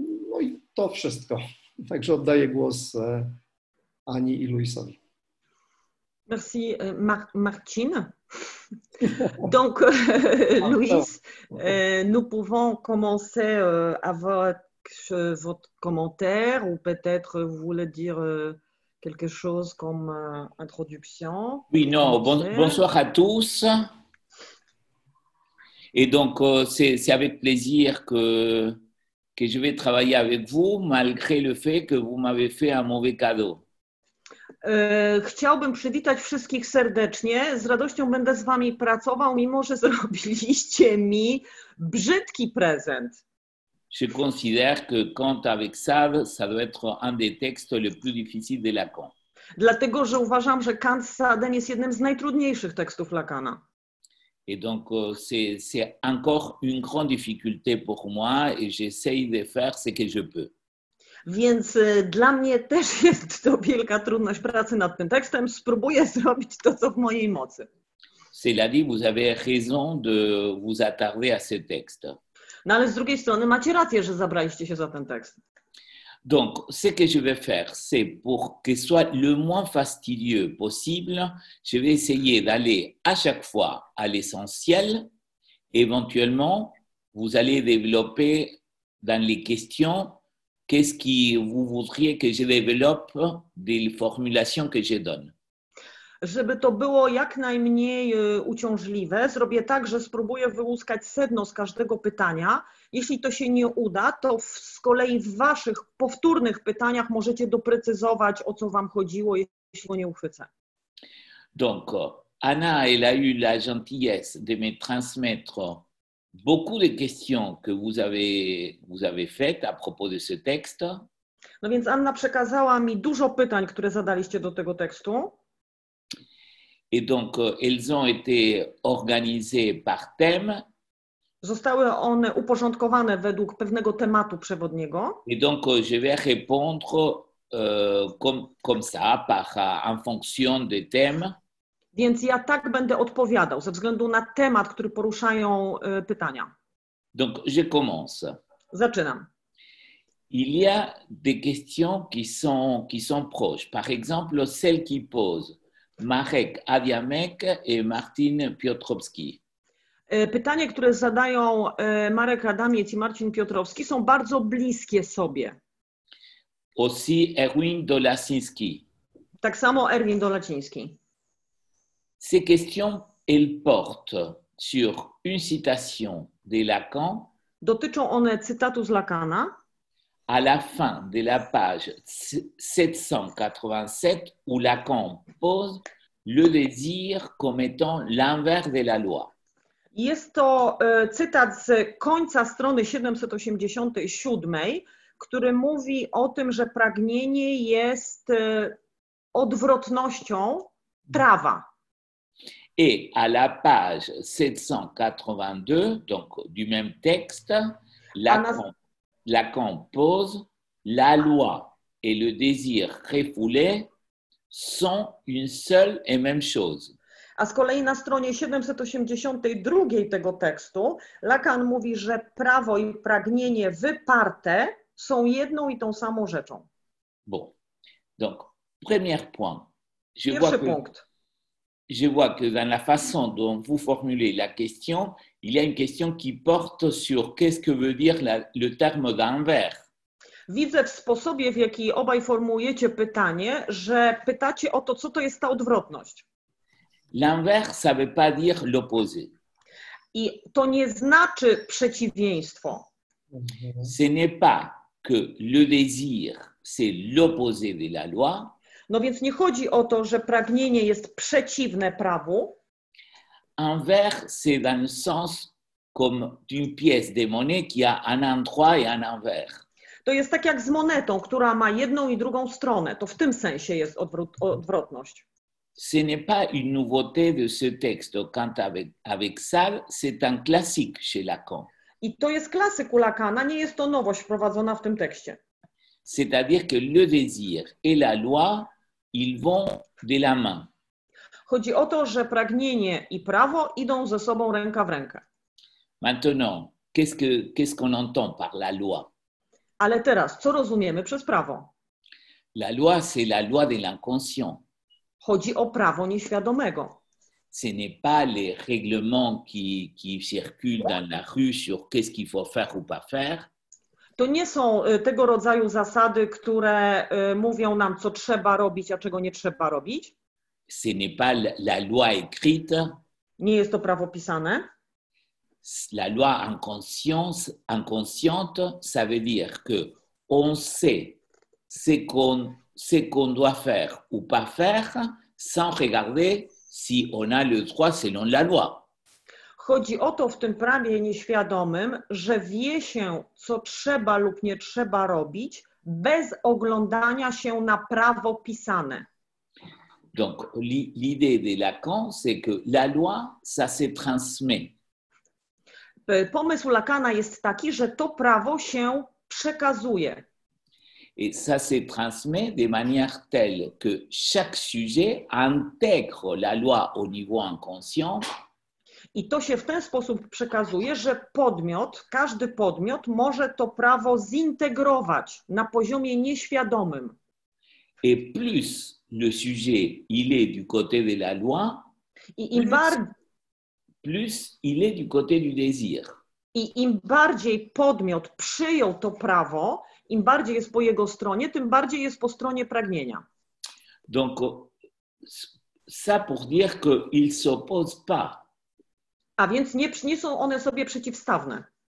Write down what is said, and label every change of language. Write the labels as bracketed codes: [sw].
[pl] No i to wszystko. Także oddaję głos Ani i Luisowi. [fr] Merci, Martin. Donc, Louis, nous pouvons commencer avec votre commentaire ou peut-être vous voulez dire quelque chose comme introduction. Oui, non, bonsoir à tous. Et donc, c'est avec plaisir que je vais travailler avec vous malgré le fait que vous m'avez fait un mauvais cadeau. [pl] Chciałbym przywitać wszystkich serdecznie. Z radością będę z wami pracował, mimo że zrobiliście mi brzydki prezent. [fr] Je considère que compte avec Sade, ça doit être un des textes les plus difficiles de Lacan. [pl] Dlatego, że uważam, że Kant z Sadem jest jednym z najtrudniejszych tekstów Lacana. [fr] Et donc c'est encore une grande difficulté pour moi et j'essaie de faire ce que je peux. [pl] Więc dla mnie też jest to wielka trudność pracy nad tym tekstem. Spróbuję zrobić to, co w mojej mocy. [fr] Cela dit, vous avez raison de vous attarder à ce texte. [pl] No ale z drugiej strony macie rację, że zabraliście się za ten tekst. [fr] Donc, ce que je vais faire, c'est pour que soit le moins fastidieux possible, je vais essayer d'aller à chaque fois à l'essentiel. Éventuellement, vous allez développer dans les questions. Qu'est-ce que vous voudriez que je développe des formulations que je donne? [pl] Żeby to było jak najmniej uciążliwe, zrobię tak, że spróbuję wyłuskać sedno z każdego pytania. Jeśli to się nie uda, to z kolei w waszych powtórnych pytaniach możecie doprecyzować, o co wam chodziło, jeśli go nie uchwycę. [fr] Donc, Anna, elle a eu la gentillesse de me transmettre beaucoup de questions que vous avez faites à propos de ce texte. [pl] No więc Anna przekazała mi dużo pytań, które zadaliście do tego tekstu. [fr] Et donc elles ont été organisées par thème. [pl] Zostały one uporządkowane według pewnego tematu przewodniego. [fr] Et donc je vais répondre comme ça par en fonction de thème. [pl] Więc ja tak będę odpowiadał ze względu na temat, który poruszają pytania. [fr] Donc, je commence. [pl] Zaczynam. [fr] Il y a des questions qui sont proches. Par exemple, celle qui pose Marek Adiamek et Martin Piotrowski. [pl] Pytanie, które zadają Marek Adamiec i Marcin Piotrowski, są bardzo bliskie sobie. [fr] Aussi Erwin Dolaciński. [pl] Tak samo Erwin Dolaciński. [fr] Ces questions, elles portent sur une citation de Lacan. [pl] Dotyczą one cytatu z Lacana. [fr] À la fin de la page 787, où Lacan pose le désir comme étant l'inverse de la loi. [pl] Jest to cytat z końca strony 787, który mówi o tym, że pragnienie jest odwrotnością prawa. [fr] Et à la page 782, donc du même texte, Lacan pose la loi et le désir refoulé sont une seule et même chose. [pl] A z kolei na stronie 782 tego tekstu Lacan mówi, że prawo i pragnienie wyparte są jedną i tą samą rzeczą. [fr] Bon. Donc, premier point. [pl] Pierwszy punkt. [fr] Je vois que dans la façon dont vous formulez la question, il y a une question qui porte sur qu'est-ce que veut dire le terme d'envers. [pl] Widzę w sposobie, w jaki obaj formułujecie pytanie, że pytacie o to, co to jest ta odwrotność. [fr] L'envers, ça veut pas dire l'opposé. [pl] I to nie znaczy przeciwieństwo. [fr] Ce n'est pas que le désir, c'est l'opposé de la loi. [pl] No więc nie chodzi o to, że pragnienie jest przeciwne prawu. [fr] Envers, c'est dans le sens comme d'une pièce de monnaie qui a un endroit et un envers. [pl] To jest tak jak z monetą, która ma jedną i drugą stronę. To w tym sensie jest odwrotność. [fr] Ce n'est pas une nouveauté de ce texte. Quant avec ça, c'est un classique chez Lacan. [pl] I to jest klasyk u Lacana, nie jest to nowość wprowadzona w tym tekście. [fr] C'est-à-dire que le désir et la loi, ils vont de la main. [pl] Chodzi o to, że pragnienie i prawo idą ze sobą ręka w rękę. [fr] Maintenant, qu'est-ce qu'on entend par la loi? [pl] Ale teraz, co rozumiemy przez prawo? [fr] La loi, c'est la loi de l'inconscient. [pl] Chodzi o prawo nieświadomego. [fr] Ce n'est pas les règlements qui circulent dans la rue sur qu'est-ce qu'il faut faire ou pas faire. [pl] To nie są tego rodzaju zasady, które mówią nam, co trzeba robić, a czego nie trzeba robić. [fr] Ce n'est pas la loi écrite. [pl] Nie jest to prawo pisane. [fr] La loi inconsciente, ça veut dire que on sait ce qu'on doit faire ou pas faire sans regarder si on a le droit selon la loi. [pl] Chodzi o to w tym prawie nieświadomym, że wie się, co trzeba lub nie trzeba robić, bez oglądania się na prawo pisane. [fr] Donc l'idée de Lacan, c'est que la loi, ça se transmet. [pl] Pomysł Lacana jest taki, że to prawo się przekazuje. [fr] Et ça se transmet de manière telle que chaque sujet intègre la loi au niveau inconscient. [pl] I to się w ten sposób przekazuje, że podmiot, każdy podmiot może to prawo zintegrować na poziomie nieświadomym. [fr] Et plus le sujet il est du côté de la loi, plus il est du côté du désir. [pl] I im bardziej podmiot przyjął to prawo, im bardziej jest po jego stronie, tym bardziej jest po stronie pragnienia. [fr] Donc, ça pour dire qu'il s'oppose pas. [pl] A więc nie są one sobie przeciwstawne.